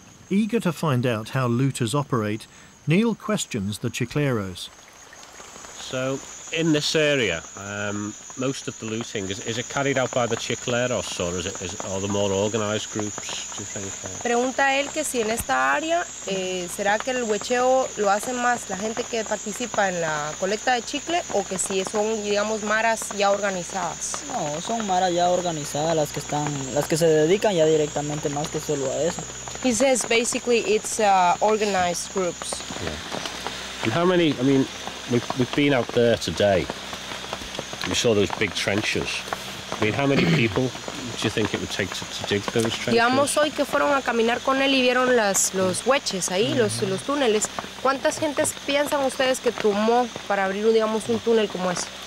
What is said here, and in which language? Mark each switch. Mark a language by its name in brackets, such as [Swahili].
[English] Eager to find out how looters operate, Neil questions the Chicleros. So, in this area, most of the looting, is it carried out by the Chicleros or are the more organized groups, do you think? [Spanish] Pregunta él que si en esta área, será que el huecheo lo hacen más la gente que participa en la colecta de chicle o que si son, digamos, maras ya organizadas. No, son maras ya organizadas las que están, las que se dedican ya directamente más que solo a eso. [English] He says basically it's organized groups. Yeah. And how many, I mean, We've been out there today. We saw those big trenches. I mean, how many people do you think it would take to dig those trenches? [Spanish] Digamos hoy que fueron a caminar con él y vieron los hueches ahí, los túneles. ¿Cuántas gentes piensan ustedes que tomó para abrir, digamos, un túnel como ese?